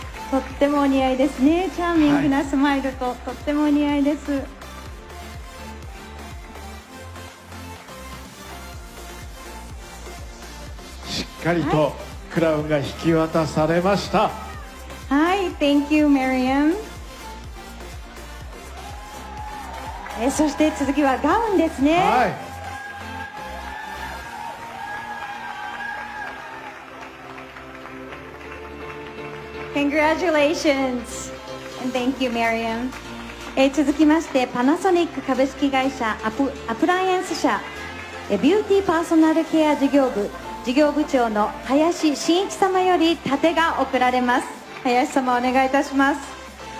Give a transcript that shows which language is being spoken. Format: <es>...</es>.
<ja>とってもお似合いですね。チャーミングなスマイルと、はい、とってもお似合いです。しっかりとクラウンが引き渡されました。はい、</ja> <en>Thank you, Mariam。</en> <ja>そして続きはガウンですね。はい、</ja> <en>Congratulations and Thank you, Mariam。</en> <ja>続きまして、パナソニック株式会社アプライアンス社ビューティーパーソナルケア事業部事業部長の林真一様より盾が贈られます。林様、お願いいたします。</ja>